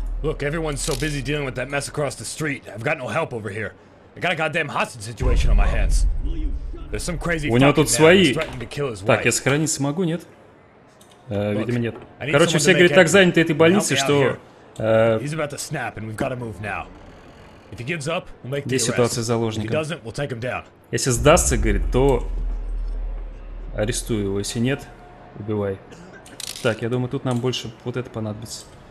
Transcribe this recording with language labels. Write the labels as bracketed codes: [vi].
[en] Look, everyone's so busy dealing with that mess across the street. I've got no help over here. I got a goddamn hostage situation on my hands. There's some crazy fucking man who's threatening to kill his wife. [ru] Так, я сохранить смогу, нет? Видимо, нет. Короче, все, говорит, так заняты этой больницей, что... [en] He's about to snap, and we've got to move now. If he gives up, we'll make the arrest. [ru] Ситуация с заложником. [en] If he doesn't, we'll take him down. [ru] Если сдастся, говорит, то... Арестую его. Если нет, убивай. Так, я думаю, тут нам больше вот это понадобится.